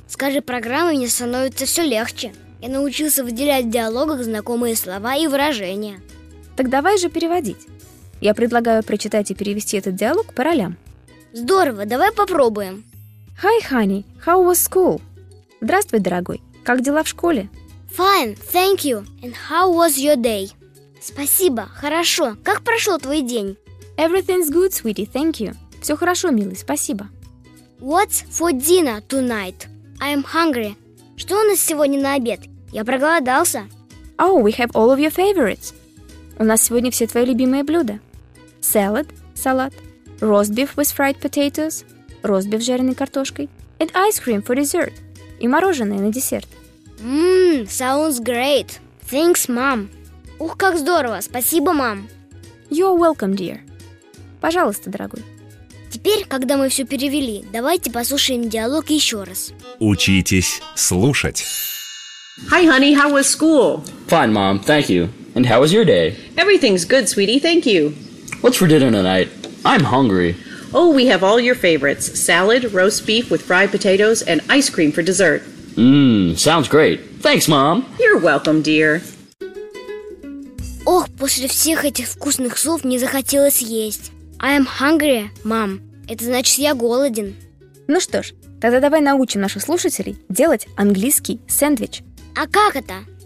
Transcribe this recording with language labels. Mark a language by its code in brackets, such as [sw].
[ru] С каждой программой мне становится все легче. Я научился выделять в диалогах знакомые слова и выражения. Так давай же переводить. Я предлагаю прочитать и перевести этот диалог по ролям. Здорово, давай попробуем. [en] Hi, honey, how was school? [ru] Здравствуй, дорогой, как дела в школе? [en] Fine, thank you, and how was your day? [ru] Спасибо, хорошо, как прошел твой день? [en] Everything's good, sweetie, thank you. [ru] Все хорошо, милый, спасибо. [en] What's for dinner tonight? I'm hungry. [ru] Что у нас сегодня на обед? Я проголодался. [en] Oh, we have all of your favorites. [ru] У нас сегодня все твои любимые блюда. [en] Salad, [ru] салат. [en] Roast beef with fried potatoes. [ru] Roast beef с жареной картошкой. [en] And ice cream for dessert. [ru] И мороженое на десерт. [en] Sounds great. Thanks, mom. [ru] Ух, как здорово. Спасибо, мам. [en] You're welcome, dear. [ru] Пожалуйста, дорогой. Теперь, когда мы все перевели, давайте послушаем диалог еще раз. Учитесь слушать. [en] Hi, honey, how was school? Fine, mom, thank you. And how was your day? Everything's good, sweetie, thank you. What's for dinner tonight? I'm hungry. Oh, we have all your favorites. Salad, roast beef with fried potatoes, and ice cream for dessert. Sounds great. Thanks, mom. You're welcome, dear. [ru] Ох, после всех этих вкусных слов мне захотелось есть. [en] I'm hungry, mom. [ru] Это значит, я голоден. Ну что ж, тогда давай научим наших слушателей делать английский сэндвич. А как это?